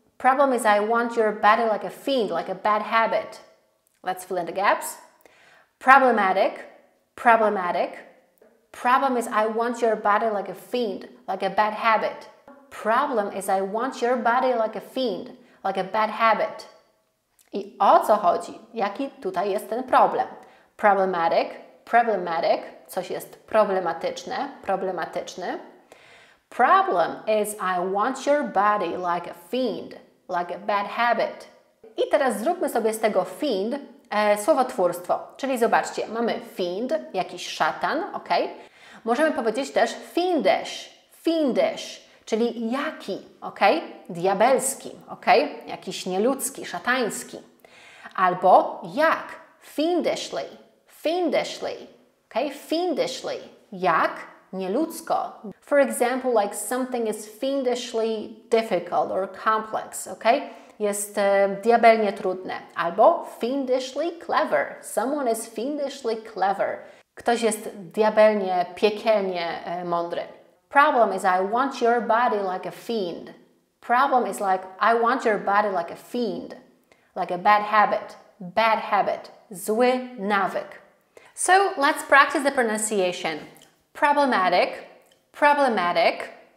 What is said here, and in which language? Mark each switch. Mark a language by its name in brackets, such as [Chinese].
[English] Problem is I want your body like a fiend, like a bad habit. Let's fill in the gaps. Problematic. Problematic. Problem is I want your body like a fiend, like a bad habit. Problem is I want your body like a fiend, like a bad habit. [Polish] I o co chodzi? Jaki tutaj jest ten problem? [English] Problematic. Problematic, [Polish] coś jest problematyczne, problematyczny. [English] Problem is I want your body like a fiend, like a bad habit. [Polish] I teraz zróbmy sobie z tego fiend słowotwórstwo. Czyli zobaczcie, mamy fiend, jakiś szatan, ok? Możemy powiedzieć też [English] fiendish, fiendish, [Polish] czyli jaki, ok? Diabelski, ok? Jakiś nieludzki, szatański. Albo jak, [English] fiendishly. Fiendishly, okay? Fiendishly. Jak? [Polish] Nieludzko. [English] For example, like something is fiendishly difficult or complex, okay? [Polish] Jest diabelnie trudne. Albo [English] fiendishly clever. Someone is fiendishly clever. [Polish] Ktoś jest diabelnie, piekielnie mądry. [English] Problem is I want your body like a fiend. Problem is like I want your body like a fiend. Like a bad habit. Bad habit. [Polish] Zły nawyk. [English] So, let's practice the pronunciation. Problematic, problematic.